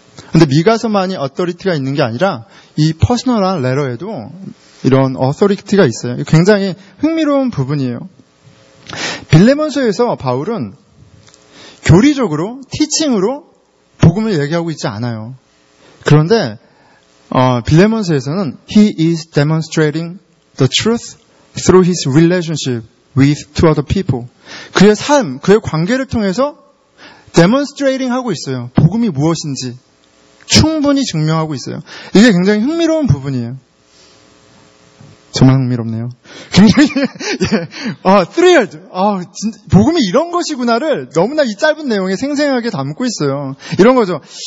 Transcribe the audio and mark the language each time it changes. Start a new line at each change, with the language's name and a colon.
Korean: 그런데 미가서만이 어터리티가 있는 게 아니라 이 퍼스널한 레러에도 이런 어터리티가 있어요. 굉장히 흥미로운 부분이에요. 빌레몬서에서 바울은 교리적으로, 티칭으로 복음을 얘기하고 있지 않아요. 그런데 빌레몬서에서는
English: He is demonstrating the truth through his relationship with two other people.
Korean: 그의 삶, 그의 관계를 통해서 demonstrating 하고 있어요. 복음이 무엇인지 충분히 증명하고 있어요. 이게 굉장히 흥미로운 부분이에요. 정말 흥미롭네요. 굉장히 thrilled. 복음이 이런 것이구나를 너무나 이 짧은 내용에 생생하게 담고 있어요. 이런 거죠.